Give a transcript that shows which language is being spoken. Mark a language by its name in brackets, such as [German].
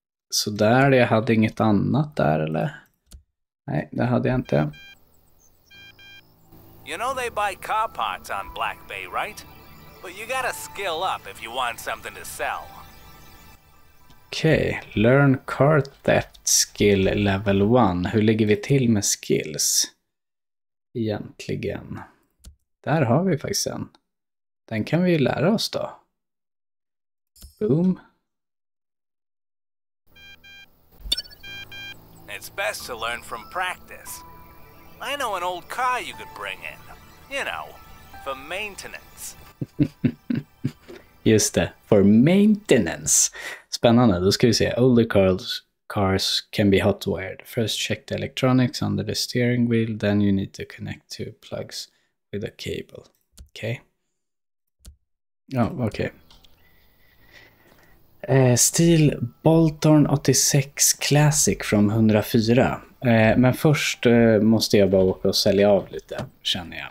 [Swedish] Så där, jag hade inget annat där, eller? Nej, det hade jag inte. [English] You know they buy car parts on Black Bay, right? But you gotta skill up if you want something to sell. Okej, okay. Learn car theft skill level 1. [Swedish] Hur ligger vi till med skills? Egentligen. Där har vi faktiskt en. Den kan vi ju lära oss då. Boom. [English] It's best to learn from practice. I know an old car you could bring in. You know, for maintenance. [Swedish] Just det, [English] for maintenance. [Swedish] Spännande, då ska vi se. [English] Older cars can be hotwired. First check the electronics under the steering wheel, then you need to connect two plugs with a cable. Okej. Okay. Oh, okej. Okay. [Swedish] Stil Bolton 86 Classic från 104. Men först måste jag bara åka och sälja av lite, känner jag.